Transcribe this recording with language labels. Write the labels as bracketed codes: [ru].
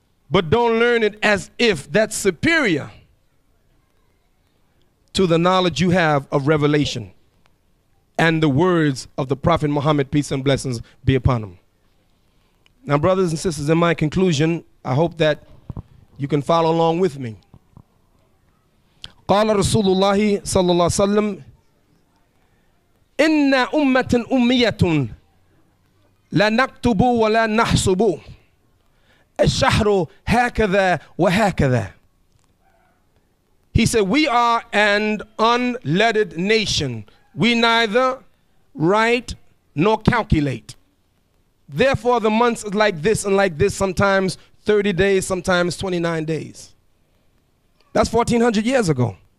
[en] But don't learn it as if that's superior to the knowledge you have of revelation and the words of the Prophet Muhammad, peace and blessings be upon him. Now, brothers and sisters, in my conclusion, I hope that you can follow along with me. [ar] قال رسول الله صلى الله عليه وسلم إن أمة أمية لا نكتب ولا نحسب الشهر هكذا وهكذا. [en] He said, we are an unlettered nation. We neither write nor calculate. Therefore, the months are like this and like this sometimes 30 days, sometimes 29 days. That's 1,400 years ago.